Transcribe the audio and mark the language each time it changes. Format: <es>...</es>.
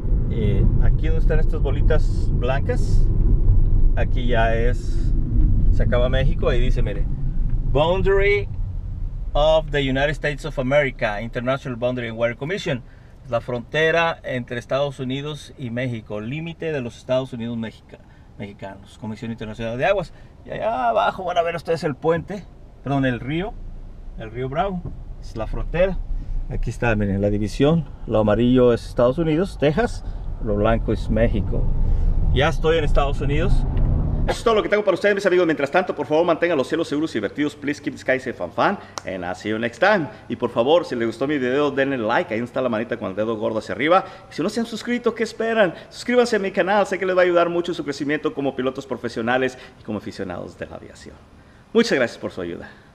<es>Y aquí donde están estas bolitas blancas, aquí ya es, se acaba México. Ahí dice, mire, Boundary of the United States of America, International Boundary and Water Commission. Es la frontera entre Estados Unidos y México, límite de los Estados Unidos Mexicanos, Comisión Internacional de Aguas. Y allá abajo van a ver ustedes el puente, perdón, el río Bravo, es la frontera. Aquí está, miren, la división, lo amarillo es Estados Unidos, Texas, lo blanco es México. Ya estoy en Estados Unidos. Eso es todo lo que tengo para ustedes, mis amigos. Mientras tanto, por favor, mantengan los cielos seguros y divertidos.</es> <en>Please keep the skies safe and fun. And I'll see you next time.</en> <es>Y por favor, si les gustó mi video, denle like. Ahí está la manita con el dedo gordo hacia arriba. Y si no se han suscrito, ¿qué esperan? Suscríbanse a mi canal. Sé que les va a ayudar mucho en su crecimiento como pilotos profesionales y como aficionados de la aviación. Muchas gracias por su ayuda.</es>